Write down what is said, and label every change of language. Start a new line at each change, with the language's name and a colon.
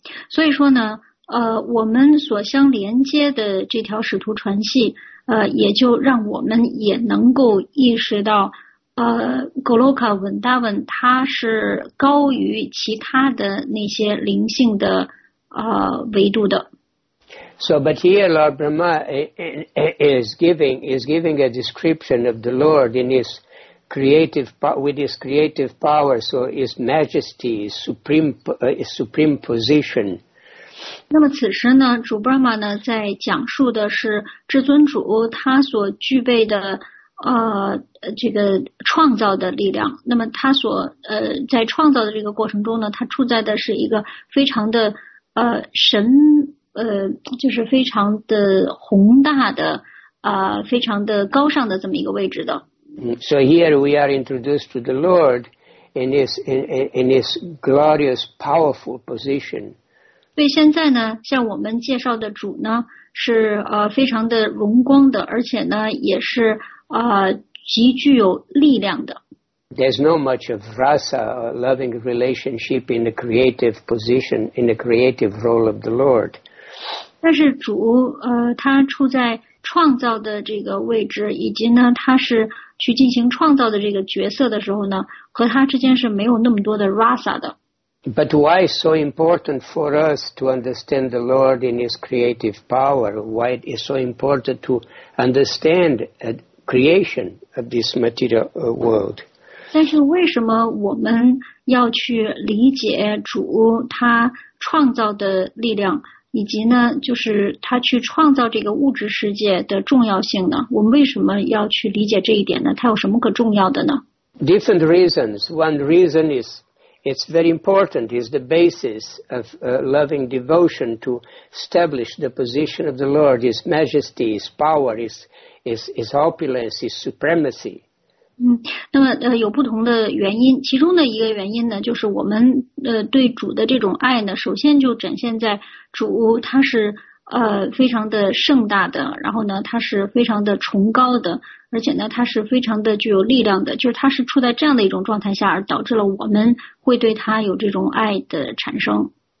Chinese: 所以说呢，我们所相连接的这条使徒传系，也就让我们也能够意识到，Goloka Vrindavan 它是高于其他的那些灵性的维度的。
English: So, but here Lord Brahma is giving a description of the Lord in his creative, with his creative power, so his majesty, his supreme position.
Chinese: 那么此时呢，主 Brahma 呢在讲述的是至尊主他所具备的这个创造的力量。那么他所在创造的这个过程中呢，他处在的是一个非常的神。就是非常的宏大的非常的高尚的这么一个位置的。
English: So here we are introduced to the Lord in his glorious, powerful position.
Chinese: 所以现在呢，向我们介绍的主呢是非常的荣光的，而且呢也是极具有力量的。
English: There's no much of rasa or loving relationship in the creative position, in the creative role of the Lord.
Chinese: 但是主他处在创造的这个位置，以及呢他是去进行创造的这个角色的时候呢，和他之间是没有那么多的 rasa 的。
English: But why is so important for us to understand the Lord in his creative power? Why is it so important to understand the creation of this material world?
Chinese: 但是为什么我们要去理解主他创造的力量？以及呢，就是他去创造这个物质世界的重要性呢？我们为什么要去理解这一点呢？它有什么可重要的呢
English: ？Different reasons. One reason is it's very important. Is the basis of loving devotion to establish the position of the Lord, His Majesty, His power, His opulence, His supremacy.
Chinese: 那么有不同的原因，其中的一个原因呢，就是我们对主的这种爱呢，首先就展现在主他是非常的盛大的，然后呢他是非常的崇高的，而且呢他是非常的具有力量的，就是他是处在这样的一种状态下，而导致了我们会对他有这种爱的产生。